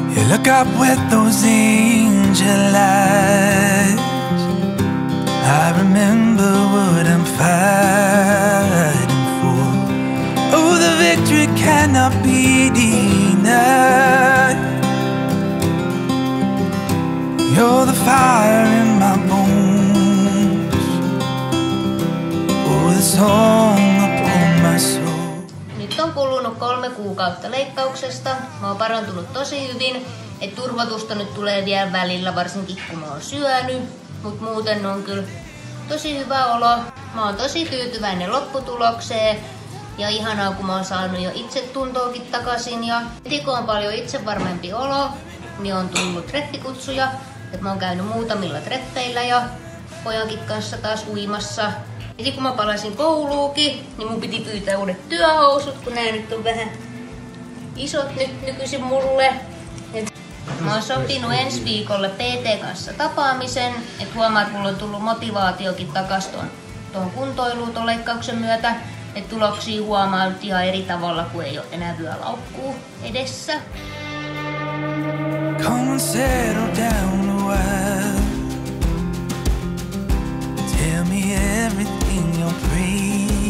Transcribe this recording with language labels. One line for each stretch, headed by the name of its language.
English: Look up with those angel eyes. I remember what I'm fighting for. Oh, the victory cannot be denied. You're the fire in my bones. Oh, the song upon my soul.
Finnish: Nyt on kulunut 3 kuukautta leikkauksesta. Mä oon parantunut tosi hyvin. Et turvatusta nyt tulee vielä välillä, varsinkin kun mä oon syönyt, mut muuten on kyllä tosi hyvä olo. Mä oon tosi tyytyväinen lopputulokseen ja ihanaa, kun mä oon saanut jo itsetuntoakin takaisin. Ja heti kun on paljon itsevarmempi olo, niin on tullut treffikutsuja. Et mä oon käynyt muutamilla treffeillä ja pojankin kanssa taas uimassa. Heti kun mä palasin kouluukin, niin mun piti pyytää uudet työhousut, kun nää nyt on vähän isot nyt nykyisin mulle. Mä oon sopinut ensi viikolle PT kanssa tapaamisen, et huomaa, että mulla on tullut motivaatiokin takas tuon kuntoiluutoleikkauksen myötä, et tuloksia huomaa nyt ihan eri tavalla, kun ei oo enää vyölaukkuu edessä.
English: Come and settle down a while. Tell me everything you're praying.